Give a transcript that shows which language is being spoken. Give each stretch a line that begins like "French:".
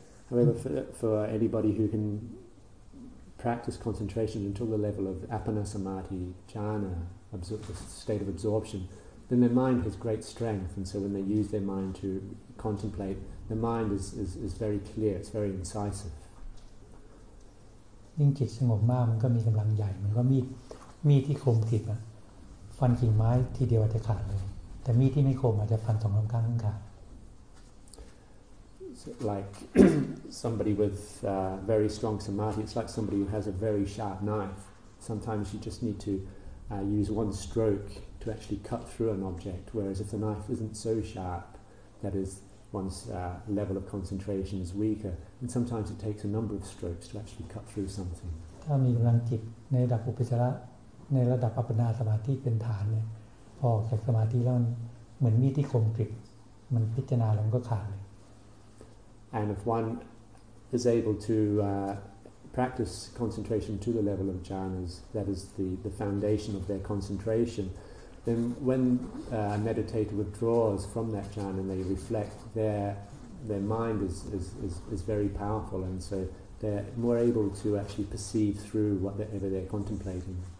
English: However, for anybody who can practice concentration until the level of apana samadhi jhana, the state of absorption, then their mind has great strength, and so when they use their mind to contemplate, the mind is very clear, it's very incisive.
Thai: ยิ่งจิตสงบมากมันก็มีกำลังใหญ่มันก็มีที่คมติดอ่ะฟันกิ่งไม้ทีเดียวอาจจะขาดเลยแต่มีที่ไม่คมอาจจะฟันสองลำข้างขาด
English: like somebody with very strong samadhi, it's like somebody who has a very sharp knife. Sometimes you just need to use one stroketo actually cut through an object, whereas if the knife isn't so sharp, that is, one's level of concentration is weaker, and sometimes it takes a number of strokes to actually cut through something.
Thai: ถ้ามีกำลังจิตในระดับอุปจาระในระดับอัปปนาสมาธิเป็นฐานเนี่ยพอจากสมาธิแล้วเหมือนมีดที่คมกริบมันพิจารณาแล้วมันก็ขาดเลย
English: And if one is able to practice concentration to the level of jhanas, that is the foundation of their concentration. Then when a meditator withdraws from that jhana and they reflect, their mind is very powerful, and so they're more able to actually perceive through whatever they're contemplating.